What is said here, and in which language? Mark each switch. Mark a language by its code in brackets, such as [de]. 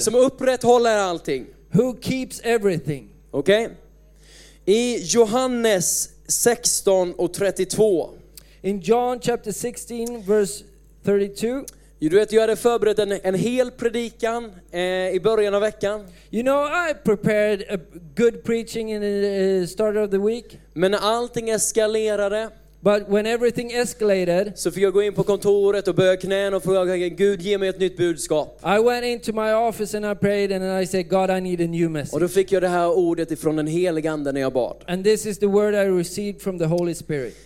[sv] Som upprätthåller allting. [en] Who keeps everything. [sv] Okej. Okay. I Johannes 16:32. [en] In John chapter 16 verse 32. [sv] Du vet, jag hade förberett en hel predikan i början av veckan. [en] You know, I prepared a good preaching in the start of the week. [sv] Men allting eskalerade. [en] But when everything escalated, [sv] så fick jag gå in på kontoret och böja knän och fråga Gud, ge mig ett nytt budskap. [en] I went into my office and I prayed and I said, God, I need a new message. [sv] Och då fick jag det här ordet ifrån den helige ande när jag bad. [en] And this is the word I received from the Holy Spirit.